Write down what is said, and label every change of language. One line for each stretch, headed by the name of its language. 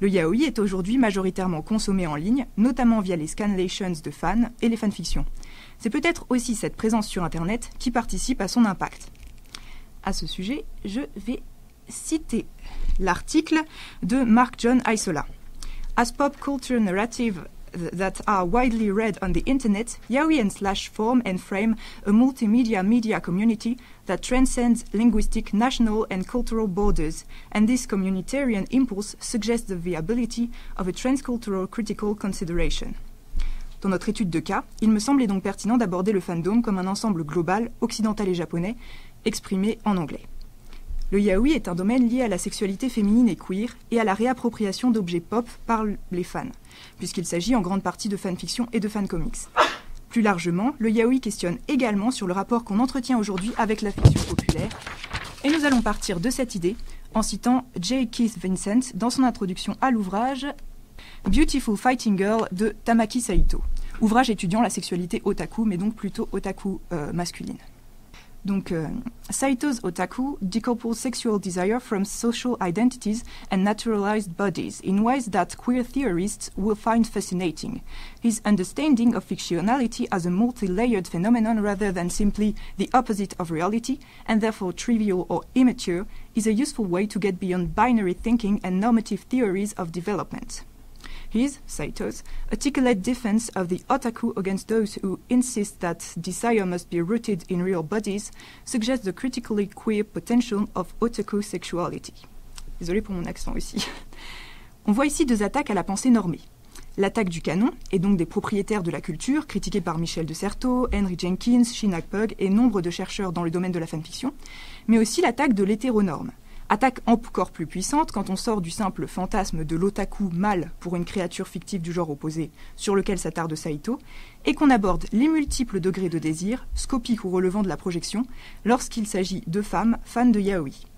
French: Le yaoi est aujourd'hui majoritairement consommé en ligne, notamment via les scanlations de fans et les fanfictions. C'est peut-être aussi cette présence sur Internet qui participe à son impact. À ce sujet, je vais citer l'article de Mark John Isola.
English: As pop culture narrative that are widely read on the Internet, yaoi and slash form and frame a multimedia media community that transcends linguistic, national and cultural borders, and this communitarian impulse suggests the viability of a transcultural critical consideration.
French: Dans notre étude de cas, il me semblait donc pertinent d'aborder le fandom comme un ensemble global, occidental et japonais, exprimé en anglais. Le yaoi est un domaine lié à la sexualité féminine et queer et à la réappropriation d'objets pop par les fans, puisqu'il s'agit en grande partie de fanfiction et de fancomics. Plus largement, le yaoi questionne également sur le rapport qu'on entretient aujourd'hui avec la fiction populaire. Et nous allons partir de cette idée en citant J. Keith Vincent dans son introduction à l'ouvrage Beautiful Fighting Girl de Tamaki Saito, ouvrage étudiant la sexualité otaku, mais donc plutôt otaku masculine.
English: Donc, Saito's otaku decouples sexual desire from social identities and naturalized bodies in ways that queer theorists will find fascinating. His understanding of fictionality as a multi-layered phenomenon rather than simply the opposite of reality, and therefore trivial or immature, is a useful way to get beyond binary thinking and normative theories of development. His, Saito's, articulate defense of the otaku against those who insist that desire must be rooted in real bodies suggests the critically queer potential of otaku sexuality.
French: Désolée pour mon accent aussi. On voit ici deux attaques à la pensée normée. L'attaque du canon, et donc des propriétaires de la culture, critiquée par Michel de Certeau, Henry Jenkins, Shin Hagberg et nombre de chercheurs dans le domaine de la fanfiction, mais aussi l'attaque de l'hétéronorme. Attaque encore plus puissante quand on sort du simple fantasme de l'otaku mâle pour une créature fictive du genre opposé sur lequel s'attarde Saito, et qu'on aborde les multiples degrés de désir, scopiques ou relevant de la projection, lorsqu'il s'agit de femmes fans de yaoi.